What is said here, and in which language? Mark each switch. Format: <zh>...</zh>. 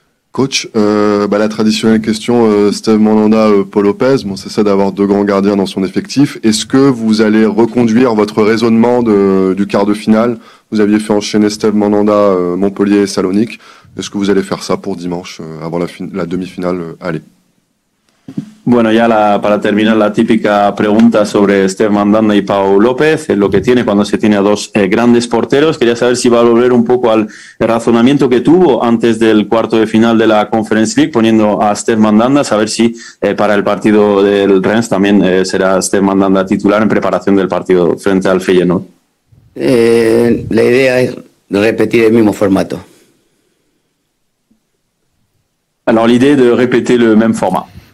<fr>Coach, la traditionnelle question, Steve Mandanda, Paul Lopez, bon, c'est ça d'avoir deux grands gardiens dans son effectif. Est-ce que vous allez reconduire votre raisonnement du quart de finale? Vous aviez fait enchaîner Steve Mandanda, Montpellier et Salonique. Est-ce que vous allez faire ça pour dimanche, avant la demi-finale aller?</fr> <es>Bueno, ya para terminar, la típica pregunta sobre Steve Mandanda y Pau López, lo que tiene cuando se tiene a dos grandes porteros. Quería saber si va a volver un poco al razonamiento que tuvo antes del cuarto de final de la Conference League, poniendo a Steve Mandanda, saber si para el partido del Rennes también será Steve Mandanda titular en preparación del partido frente al Feyenoord. La idea es repetir el mismo formato.</es> <fr>Alors, l'idée de répéter le même format.</fr>